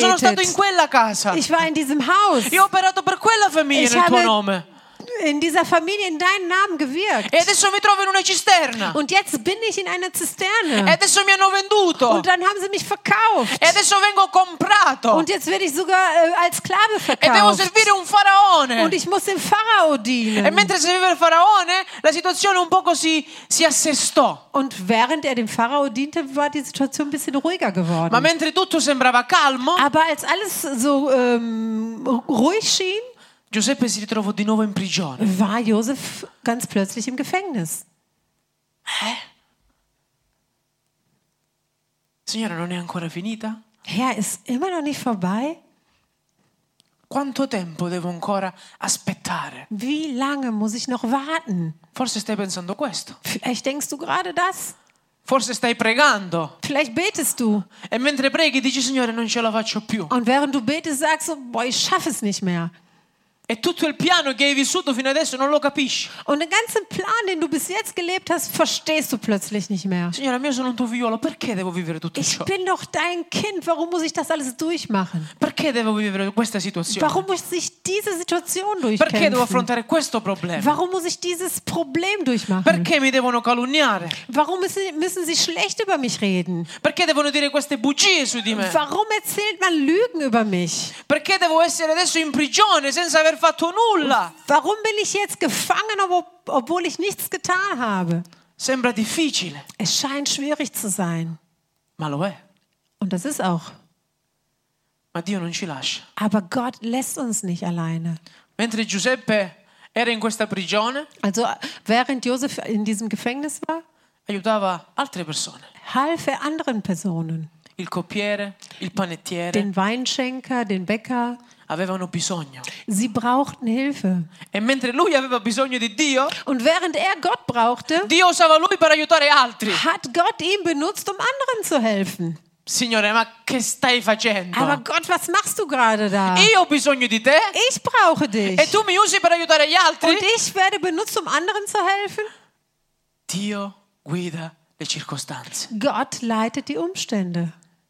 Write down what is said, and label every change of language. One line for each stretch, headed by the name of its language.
Italian: Io sono stato in quella casa.
German: Ich war in diesem Haus.
Italian: Io ho operato per quella famiglia nel tuo nome.
German: In dieser Familie in deinem Namen gewirkt.
Italian: E adesso mi trovo in una cisterna.
German: Und jetzt bin ich in einer Zisterne.
Italian: E adesso mi hanno venduto.
German: Und dann haben sie mich verkauft.
Italian: E adesso vengo comprato.
German: Und jetzt werde ich sogar als Sklave verkauft.
Italian: E devo servire un faraone.
German: Und ich muss dem Pharao dienen.
Italian: E mentre serviva il faraone, la situazione un poco si assestò.
German: Und während er dem Pharao diente, war die Situation ein bisschen ruhiger geworden.
Italian: Ma mentre tutto sembrava calmo.
German: Aber als alles so ruhig schien.
Italian: Giuseppe si ritrovò di nuovo in prigione.
German: War Josef ganz plötzlich im Gefängnis. Hä?
Italian: Signora, non è ancora finita?
German: Herr, ist immer noch nicht vorbei?
Italian: Quanto tempo devo ancora aspettare?
German: Wie lange muss ich noch warten?
Italian: Forse stai pensando questo.
German: Vielleicht denkst du gerade das.
Italian: Forse stai pregando.
German: Vielleicht betest du.
Italian: E mentre preghi dici, Signore, non ce la faccio più.
German: Und während du betest, sagst du, boah, ich schaffe es nicht mehr.
Italian: E tutto il piano che hai vissuto fino adesso non lo capisci.
German: Und den ganzen Plan, den du bis jetzt gelebt hast, verstehst du plötzlich nicht mehr.
Italian: Signora, io sono un tuo figliolo, perché devo vivere tutto
German: ich
Italian: ciò?
German: Ich bin doch dein Kind, warum muss ich das alles durchmachen?
Italian: Perché devo vivere questa situazione?
German: Warum muss ich diese Situation durchkämpfen?
Italian: Perché devo affrontare questo problema?
German: Warum muss ich dieses Problem durchmachen?
Italian: Perché mi devono calunniare?
German: Warum müssen sie schlecht über mich reden?
Italian: Perché devono dire queste bugie su di me?
German: Warum erzählt man Lügen über mich?
Italian: Perché devo essere adesso in prigione senza aver fatto nulla.
German: Warum bin ich jetzt gefangen, obwohl ich nichts getan habe?
Italian: Sembra difficile.
German: Es scheint schwierig zu sein.
Italian: Ma lo è.
German: Und das ist auch.
Italian: Ma Dio non ci lascia.
German: Aber Gott lässt uns nicht alleine.
Italian: Mentre Giuseppe era in questa prigione,
German: also während Josef in diesem Gefängnis war,
Italian: aiutava altre persone.
German: Half er anderen Personen.
Italian: Il coppiere, il panettiere,
German: den Weinschenker, den Bäcker.
Italian: Avevano bisogno.
German: Sie brauchten Hilfe.
Italian: E mentre lui aveva bisogno di Dio,
German: und während er Gott brauchte,
Italian: Dio usava lui per aiutare altri.
German: Hat Gott ihn benutzt, um anderen zu helfen.
Italian: Signore, ma che stai facendo?
German: Aber Gott, was machst du gerade da?
Italian: Io ho bisogno di te.
German: Ich brauche dich.
Italian: E tu mi usi per aiutare gli altri?
German: Und ich werde benutzt, um anderen zu helfen?
Italian: Dio guida le circostanze.
German: Gott leitet die Umstände.